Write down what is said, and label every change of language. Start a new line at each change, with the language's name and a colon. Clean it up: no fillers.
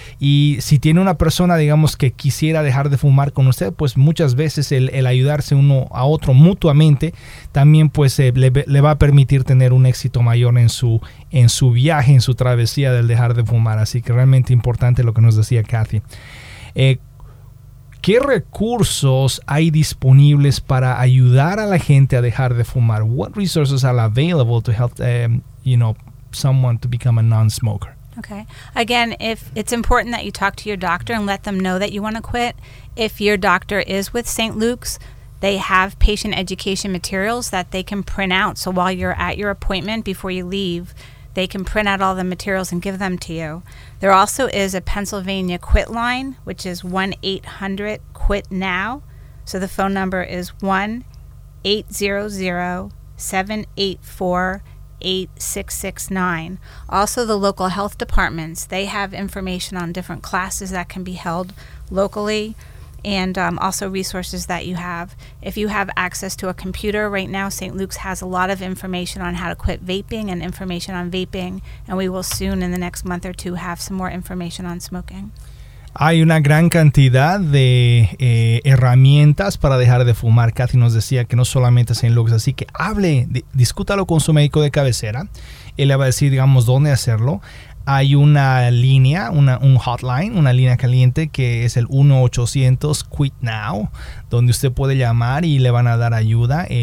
Spanish: Y si tiene una persona, digamos, que quisiera dejar de fumar con usted, pues muchas veces el ayudarse uno a otro mutuamente también pues le va a permitir tener un éxito mayor en su viaje, en su travesía del dejar de fumar. Así que realmente importante lo que nos decía Kathy. ¿Qué recursos hay disponibles para ayudar a la gente a dejar de fumar?
English: What resources are available to help, you know, someone to become a non-smoker? Okay. Again, if it's important that you talk to your doctor and let them know that you want to quit. If your doctor is with St. Luke's, they have patient education materials that they can print out. So while you're at your appointment before you leave, they can print out all the materials and give them to you. There also is a Pennsylvania Quit Line, which is 1-800-QUIT-NOW. So the phone number is 1-800-784-8669. Also, the local health departments, they have information on different classes that can be held locally, and also resources that you have. If you have access to a computer right now, St. Luke's has a lot of information on how to quit vaping and information on vaping, and we will soon in the next month or two have some more information on smoking.
Spanish: Hay una gran cantidad de herramientas para dejar de fumar. Kathy nos decía que no solamente St. Luke's, así que hable, discútalo con su médico de cabecera. Él le va a decir, digamos, dónde hacerlo. Hay una línea, un hotline, una línea caliente que es el 1-800-QUIT-NOW, donde usted puede llamar y le van a dar ayuda.